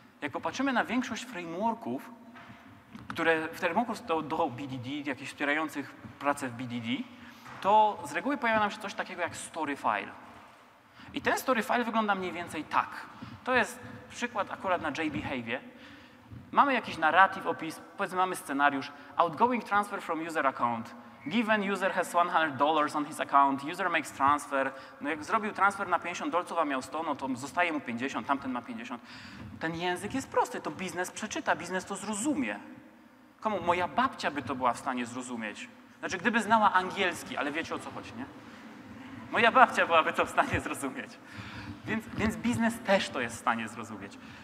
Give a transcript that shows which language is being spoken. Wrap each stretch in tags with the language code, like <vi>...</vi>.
<pl>Jak popatrzymy na większość frameworków, które w termokurs do BDD, jakichś wspierających pracę w BDD, to z reguły pojawia nam się coś takiego jak story file. I ten story file wygląda mniej więcej tak. To jest przykład akurat na JBehavie. Mamy jakiś narrative opis, powiedzmy mamy scenariusz.</pl> <en>Outgoing transfer from user account. Given user has $100 on his account, user makes transfer.</en> <pl>No jak zrobił transfer na $50, a miał 100, no to zostaje mu 50, tamten ma 50. Ten język jest prosty, to biznes przeczyta, biznes to zrozumie. Komu? Moja babcia by to była w stanie zrozumieć. Znaczy, gdyby znała angielski, ale wiecie o co chodzi, nie? Moja babcia byłaby to w stanie zrozumieć. Więc biznes też to jest w stanie zrozumieć.</pl>